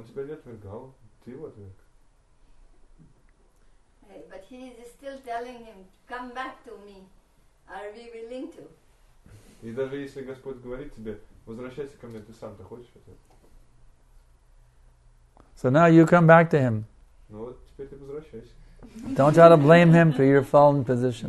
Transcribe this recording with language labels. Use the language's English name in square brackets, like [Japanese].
[English] But he is still telling him, come back to me. Are we willing to? [Russian] И даже если Господь говорит тебе, возвращайся ко мне, ты сам-то хочешь это? [English] So now you come back to him. [Russian] Ну вот теперь ты возвращайся. [English] Don't try to blame him for your fallen position.